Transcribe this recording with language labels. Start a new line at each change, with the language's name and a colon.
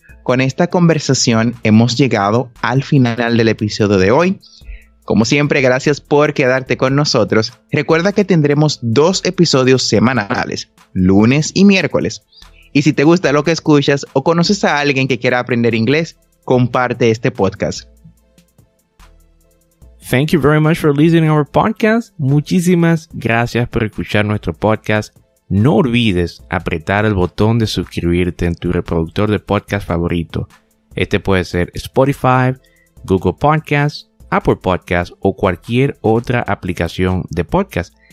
Spanish: Con esta conversación hemos llegado al final del episodio de hoy. Como siempre, gracias por quedarte con nosotros. Recuerda que tendremos dos episodios semanales, lunes y miércoles. Y si te gusta lo que escuchas o conoces a alguien que quiera aprender inglés, comparte este podcast.
English: Thank you very much for listening to our podcast.
Spanish: Muchísimas gracias por escuchar nuestro podcast. No olvides apretar el botón de suscribirte en tu reproductor de podcast favorito. Este puede ser Spotify, Google Podcasts, Apple Podcasts o cualquier otra aplicación de podcast.